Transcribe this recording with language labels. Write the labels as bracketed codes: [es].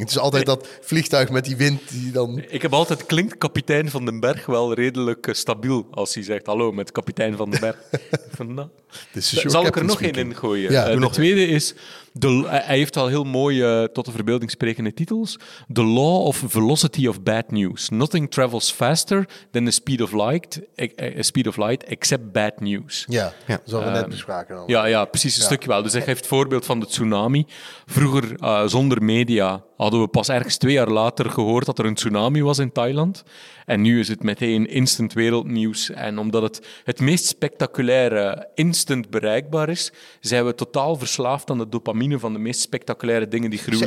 [nl] Het is altijd dat vliegtuig met die wind die dan... Ik heb altijd, klinkt kapitein van den Berg wel redelijk stabiel als hij zegt hallo met kapitein van den Berg. Zal ik er nog één in gooien? Ja, tweede is, hij heeft al heel mooie, tot de verbeelding sprekende titels. [en] The Law of Velocity of Bad News. Nothing travels faster than the speed of light, except bad news. [nl] Ja, zoals we net bespraken. Precies, een stukje wel. Dus hij geeft het voorbeeld van de tsunami. Vroeger, zonder media, hadden we pas ergens 2 jaar later gehoord dat er een tsunami was in Thailand. En nu is het meteen instant wereldnieuws. En omdat het meest spectaculaire instant bereikbaar is, zijn we totaal verslaafd aan de dopamine van de meest spectaculaire dingen die gruwelijk